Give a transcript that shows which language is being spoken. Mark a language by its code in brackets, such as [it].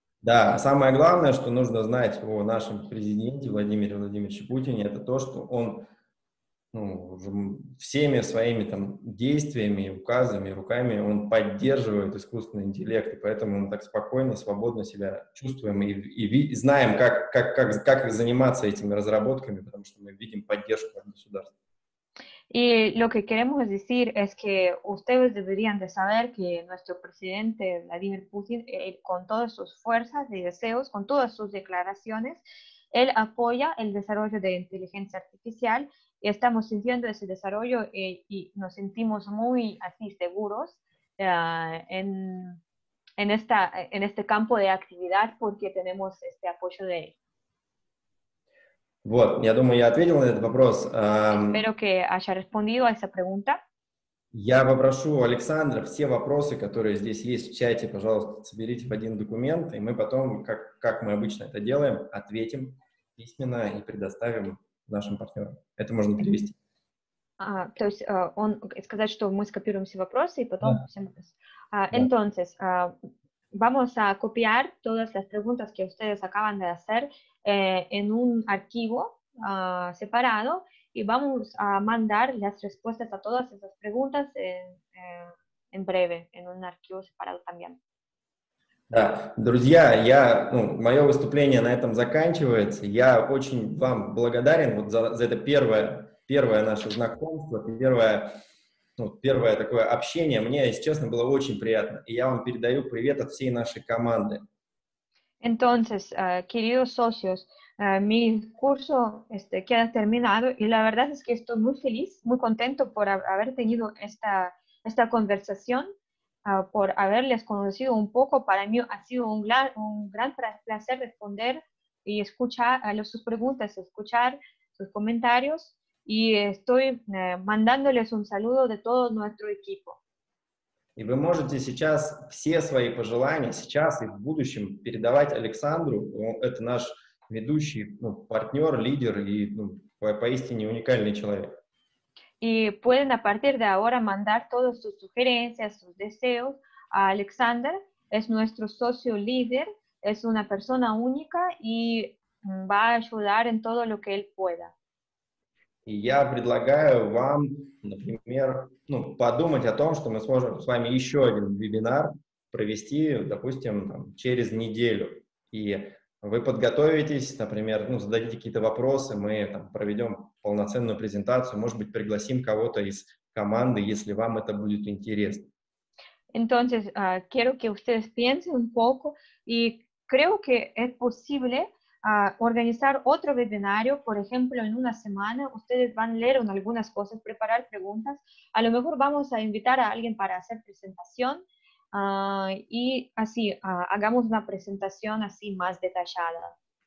[ru] Да, самое главное, что нужно знать о нашем президенте Владимире Владимировиче Путине, это то, что он, ну, всеми своими там действиями, указами, руками он поддерживает искусственный интеллект, и поэтому мы так спокойно, свободно себя чувствуем и знаем, как заниматься этими разработками, потому что мы видим поддержку от государства. [es] И lo que queremos decir es que ustedes deberían de saber que nuestro presidente Владимир Путин, con todas sus fuerzas y deseos, con todas sus declaraciones, él apoya el desarrollo de inteligencia artificial. Y estamos sintiendo ese desarrollo y nos sentimos muy así seguros en este campo de actividad porque tenemos este apoyo de él. [ru] Вот, я думаю, я ответил на этот вопрос. [es] Espero que haya respondido a esa pregunta. [ru] Я попрошу Александра все вопросы, которые здесь есть в чате, пожалуйста, соберите в один документ, и мы потом, как мы обычно это делаем, ответим письменно и предоставим нашим партнерам. Это можно перевести. То есть он сказать, что мы скопируем все вопросы и потом всем. [es] Entonces, vamos a copiar todas las preguntas que ustedes acaban de hacer en un archivo separado y vamos a mandar las respuestas a todas esas preguntas en breve en un archivo separado también. [ru] Да, друзья, я, ну, мое выступление на этом заканчивается. Я очень вам благодарен вот за это первое наше знакомство, первое такое общение. Мне, если честно, было очень приятно. И я вам передаю привет от всей нашей команды. [es] Entonces, queridos socios, mi curso este, queda terminado y la verdad es que estoy muy feliz, muy contento por haber tenido esta conversación, por haberles conocido un poco. Para mí ha sido un gran placer responder y escuchar sus preguntas, escuchar sus comentarios, y estoy mandándoles un saludo de todo nuestro equipo. [ru] И вы можете сейчас все свои пожелания, сейчас и в будущем, передавать Александру. Это наш ведущий, ну, партнер, лидер и, ну, поистине уникальный человек. [es] И pueden a partir de ahora mandar todas sus sugerencias, sus deseos a Александр. Es nuestro socio líder, es una persona única y va a ayudar en todo lo que él pueda. [ru] И я предлагаю вам, например, ну, подумать о том, что мы сможем с вами еще один вебинар провести, допустим, там, через неделю. И вы подготовитесь, например, ну, зададите какие-то вопросы, мы там, проведем полноценную презентацию, может быть, пригласим кого-то из команды, если вам это будет интересно. [es] Entonces, quiero que ustedes piensen un poco, y creo que es posible organizar otro вебинарио, por ejemplo, en una semana. Ustedes van a leer algunas cosas, preparar preguntas. A lo mejor vamos a invitar a alguien para hacer presentación y así hagamos una presentación así más detallada.